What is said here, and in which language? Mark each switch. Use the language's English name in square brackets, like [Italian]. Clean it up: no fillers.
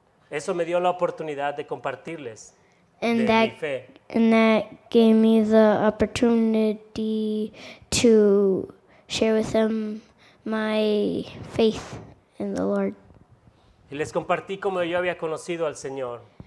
[Spanish] Eso me dio la oportunidad de compartirles [English] and [Spanish] de [English] that, [Spanish] mi fe. [English] And that gave me the opportunity to share with them my faith in the Lord. [Spanish] Y les compartí cómo yo había conocido al Señor.